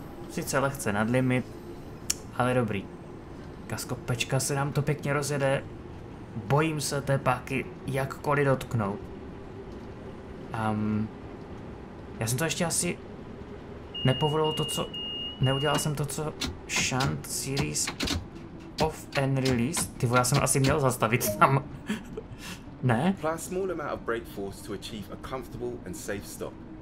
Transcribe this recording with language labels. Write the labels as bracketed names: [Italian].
[Czech] Sice lehce nad limit, ale dobrý. Kaskopečka se nám to pěkně rozjede. Bojím se té páky jakkoliv dotknout. Já jsem to ještě asi nepovolil to, co... Neudělal jsem to, co... [English] Shunt Series Off and Release. [Czech] Ty vole, já jsem asi měl zastavit tam. Ne? [English] Apply a small amount of brake force to achieve a comfortable and safe stop.